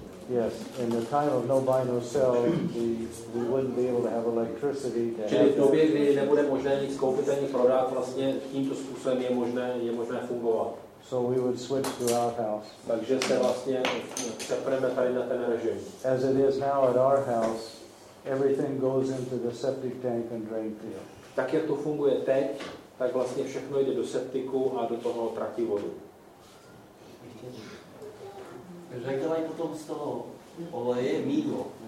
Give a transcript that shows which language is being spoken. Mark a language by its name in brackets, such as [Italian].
[English] Yes, in the time of no buy no sell, we wouldn't be able to have electricity. [Czech] Čili v době, kdy nebude možné nic koupit ani prodat, vlastně tímto způsobem je možné fungovat. [English] So we would switch to our house. [Czech] Takže se vlastně přepneme tady na ten režim. [English] As it is now at our house, everything goes into the septic tank and drain field. [Czech] Tak jak to funguje teď, tak vlastně všechno jde do septiku a do toho tratí vodu. Řekla jsi potom z toho oleje mýdlo.